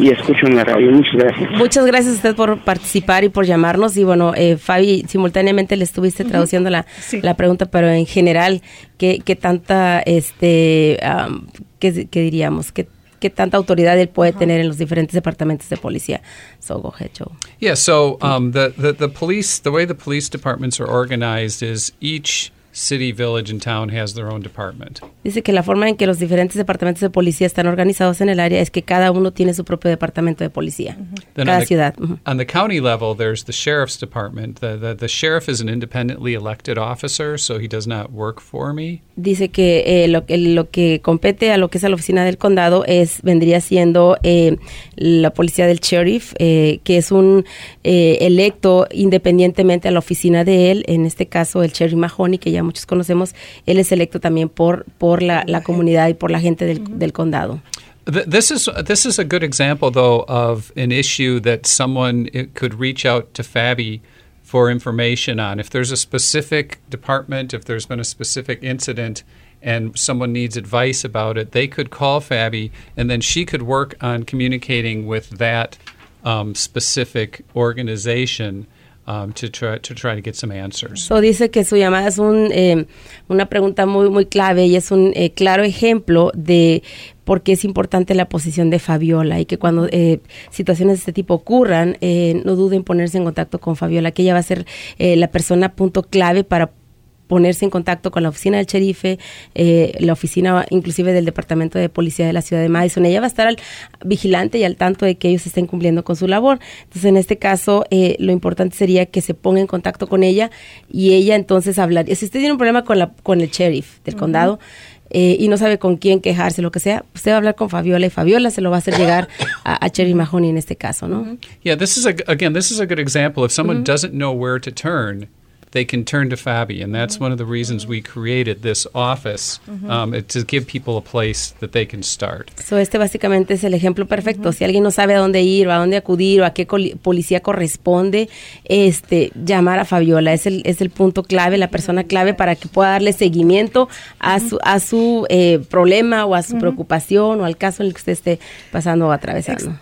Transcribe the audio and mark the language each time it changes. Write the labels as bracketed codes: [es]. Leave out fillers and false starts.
[es] Y escucho en la radio. Muchas gracias. Muchas gracias a usted por participar y por llamarnos. Y bueno, Fabi, simultáneamente le estuviste uh-huh. traduciendo la pregunta, pero en general, ¿qué tanta, qué diríamos? ¿Qué tanta autoridad él puede uh-huh. tener en los diferentes departamentos de policía? [en] So, go ahead, Joe. Yeah, so the police, the way the police departments are organized is each city, village, and town has their own department. [es] Dice que la forma en que los diferentes departamentos de policía están organizados en el área es que cada uno tiene su propio departamento de policía, mm-hmm. cada ciudad. [en] On the county level, there's the sheriff's department. The sheriff is an independently elected officer, so he does not work for me. [es] Dice que lo que compete a lo que es a la oficina del condado es vendría siendo la policía del sheriff, que es un electo independientemente a la oficina de él. En este caso, el sheriff Mahoney, que ya muchos conocemos, él es electo también por la comunidad y por la gente del, mm-hmm. del condado. [en] This is a good example, though, of an issue that someone could reach out to Fabi for information on. If there's a specific department, if there's been a specific incident, and someone needs advice about it, they could call Fabi, and then she could work on communicating with that specific organization to try to get some answers. [es] So dice que su llamada es una pregunta muy muy clave y es un claro ejemplo de por qué es importante la posición de Fabiola y que cuando situaciones de este tipo ocurran, no duden en ponerse en contacto con Fabiola, que ella va a ser la persona punto clave para ponerse en contacto con la oficina del sheriff, la oficina inclusive del Departamento de Policía de la Ciudad de Madison. Ella va a estar al vigilante y al tanto de que ellos estén cumpliendo con su labor. Entonces, en este caso, lo importante sería que se ponga en contacto con ella y ella entonces hablaría. Si usted tiene un problema con el sheriff del uh-huh. condado y no sabe con quién quejarse, lo que sea, usted va a hablar con Fabiola y Fabiola se lo va a hacer llegar a Sheriff Mahoney en este caso, ¿no? [en] Uh-huh. Yeah, this is a good example. If someone uh-huh. doesn't know where to turn, they can turn to Fabi, and that's one of the reasons we created this office, to give people a place that they can start. [es] So este básicamente es el ejemplo perfecto. Mm-hmm. Si alguien no sabe a dónde ir o a dónde acudir o a qué policía corresponde, llamar a Fabiola es el punto clave, la persona clave para que pueda darle seguimiento a su problema o a su mm-hmm. preocupación o al caso en el que usted esté pasando o atravesando.